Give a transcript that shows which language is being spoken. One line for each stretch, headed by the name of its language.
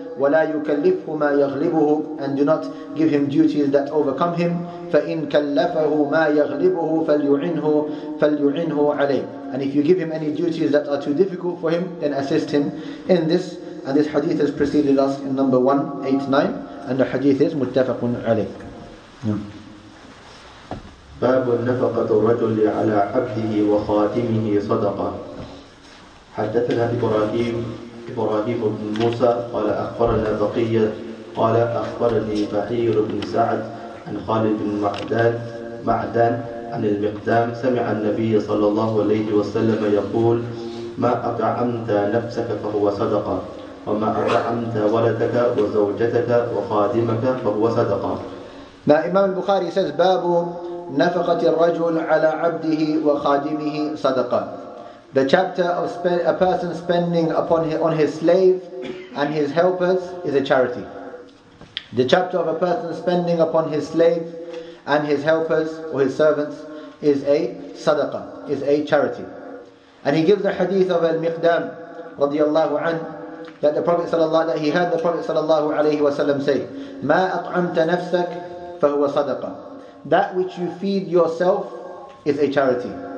Arabic: وَلَا يُكَلِّفْهُ مَا يَغْلِبُهُ,
English: and do not give him duties that overcome him.
Arabic: فَإِنْ كَلَّفَهُ مَا يَغْلِبُهُ فَلْيُعِنْهُ عَلَيْهِ,
English: and if you give him any duties that are too difficult for him, then assist him in this. And this hadith has preceded us in number 189. And the hadith is muttafaqun alayh.
Arabic: باب النفقة الرجل على عبده وخادمه صدقة. حدثنا إبراهيم بن موسى قال أخبرنا بقية قال أخبرني بحير بن سعد عن خالد بن معدان عن المقدام سمع النبي صلى الله عليه وسلم يقول ما أطعمت نفسك فهو صدقة وما أطعمت ولدك وزوجتك وخادمك فهو صدقة. إمام البخاري
English: says
Arabic: باب نفقة الرجل على عبده وخادمه صدقة.
English: The chapter of a person spending upon his slave and his helpers is a charity. The chapter of a person spending upon his slave and his helpers or his servants is a sadaqah, is a charity. And he gives the hadith of Al-Miqdam radiallahu anhu, that the Prophet sallallahu, that he heard the Prophet sallallahu alayhi wa sallam say,
Arabic: مَا أَطْعَمْتَ نَفْسَكَ فَهُوَ صَدَقَةً,
English: that which you feed yourself is a charity.